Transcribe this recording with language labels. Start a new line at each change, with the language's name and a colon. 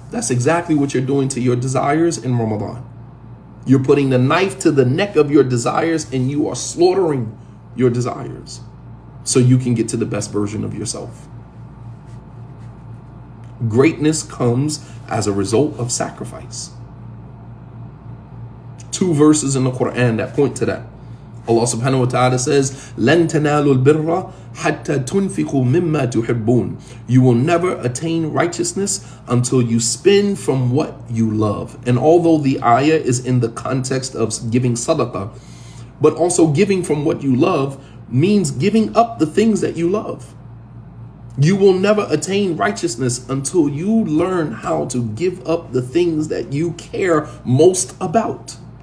English: That's exactly what you're doing to your desires in Ramadan. You're putting the knife to the neck of your desires, and you are slaughtering your desires so you can get to the best version of yourself. Greatness comes as a result of sacrifice. Two verses in the Quran that point to that. Allah subhanahu wa ta'ala says,
Arabic: لَن تَنَالُوا الْبِرَّ حَتَّى تُنْفِقُوا مِمَّا تُحِبُّونَ.
English: You will never attain righteousness until you spend from what you love. And although the ayah is in the context of giving sadaqah, but also giving from what you love means giving up the things that you love. You will never attain righteousness until you learn how to give up the things that you care most about.